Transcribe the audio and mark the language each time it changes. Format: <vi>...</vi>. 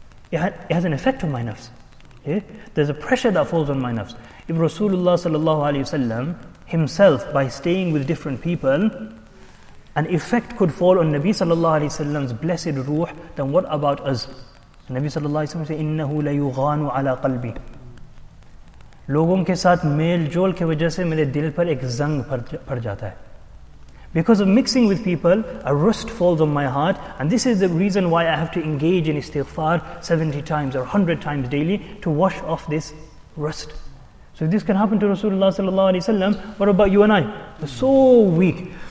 <en>It has an effect on my nafs. Yeah? There's a pressure that falls on my nafs. If Rasulullah Sallallahu Alaihi Wasallam himself, by staying with different people, an effect could fall on Nabi Sallallahu Alaihi Wasallam's blessed ruh, then what about us? Nabi Sallallahu Alaihi Wasallam said,</en> <ar>إِنَّهُ لَيُغَانُ عَلَىٰ قَلْبِي.</ar> <ur>لوگوں کے ساتھ میل جول کے وجہ سے میرے دل پر ایک زنگ پر جاتا ہے۔</ur> <en>Because of mixing with people, a rust falls on my heart, and this is the reason why I have to engage in istighfar 70 times or 100 times daily to wash off this rust. So if this can happen to Rasulullah Sallallahu Alaihi Wasallam, what about you and I? We're so weak.</en>